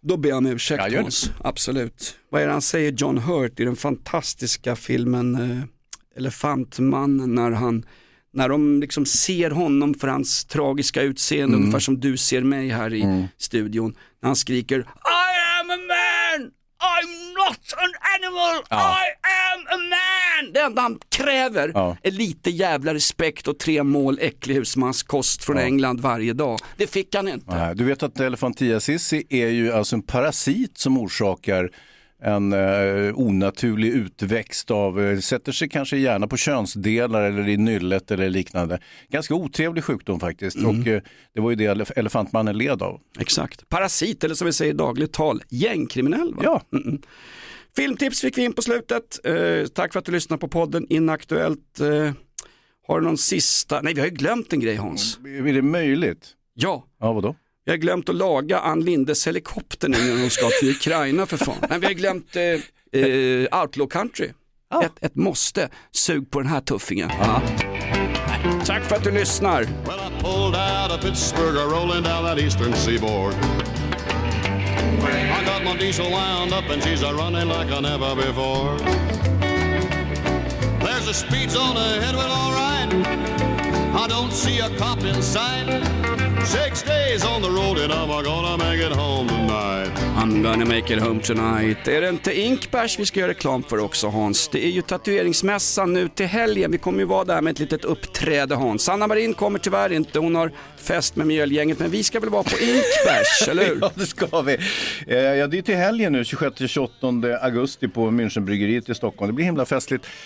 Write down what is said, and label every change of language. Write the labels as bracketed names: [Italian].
[Swedish] Då ber jag om ursäkt, ja, Hans. Absolut. Vad är det han säger, John Hurt, i den fantastiska filmen Elefantmannen, när de liksom ser honom för hans tragiska utseende, ungefär som du ser mig här i studion, när han skriker: [English] I am a man! I'm not an animal, I am a man! [Swedish] Det enda han kräver är lite jävla respekt och 3 mål äcklig husmanskost från England varje dag. Det fick han inte. Nej, du vet att elefantiasis är ju alltså en parasit som orsakar en onaturlig utväxt av, sätter sig kanske gärna på könsdelar eller i nyllet eller liknande. Ganska otrevlig sjukdom faktiskt. Mm. Och det var ju det elefantmannen led av. Exakt. Parasit, eller som vi säger i dagligt tal, gängkriminell, va? Ja. Mm-mm. Filmtips fick vi in på slutet. Tack för att du lyssnade på podden Inaktuellt. Har du någon sista? Nej, vi har ju glömt en grej, Hans. Är det möjligt? Ja. Ja, vadå? Vi har glömt att laga Ann Lindes helikopter nu när hon ska till Ukraina, för fan. Men vi har glömt Outlaw Country. ett måste. Sug på den här tuffingen. Tack för att du lyssnar. [English] Well, I pulled out of Pittsburgh, rolling down that eastern seaboard. I got my diesel wound up and she's running like I never before. There's a speed zone ahead, well, all right. I don't see a cop in sight. 6 days on the road and I'm gonna make it home tonight. I'm gonna make it home tonight. [Swedish] Är det inte Inkbärs vi ska göra reklam för också, Hans? Det är ju tatueringsmässan nu till helgen. Vi kommer ju vara där med ett litet uppträde, Hans. Sanna Marin kommer tyvärr inte. Hon har fest med mjölgänget. Men vi ska väl vara på Inkbärs, eller hur? Ja, det ska vi. Ja, det är till helgen nu, 26-28 augusti på Münchenbryggeriet i Stockholm. Det blir himla festligt.